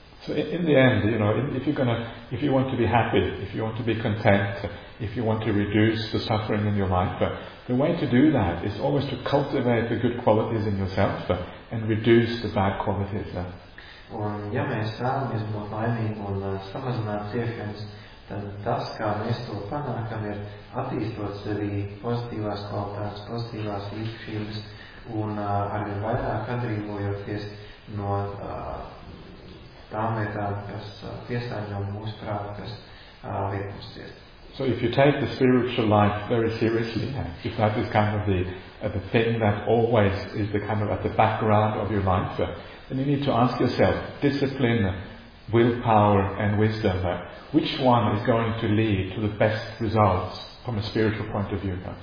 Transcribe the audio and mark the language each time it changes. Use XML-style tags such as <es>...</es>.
<en>So in the end, you know, if you're gonna, if you want to be happy, if you want to be content, if you want to reduce the suffering in your life, the way to do that is always to cultivate the good qualities in yourself and reduce the bad qualities.</en> <lv>Un ja mēs vēlamies būt laimīgi un samazināt ciešanas, tad tas, kā mēs to panākam, ir attīstot sevi pozitīvās kvalitātes, pozitīvās īpašības un arī vairāk atbrīvojoties no tām lietām, kas piesārņo mūsu prātu, kas liek mums ciest.</lv> <en>So if you take the spiritual life very seriously, if that is kind of the thing that always is the kind of at the background of your life, then you need to ask yourself, discipline, willpower and wisdom, which one is going to lead to the best results from a spiritual point of view?</en>